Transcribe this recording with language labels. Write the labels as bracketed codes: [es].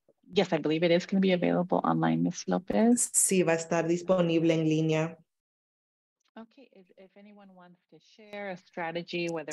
[en] Yes, I believe it is going to be available online, Ms. López. [es] Sí, va a estar disponible en línea. [en] Okay, if anyone wants to share a strategy, whether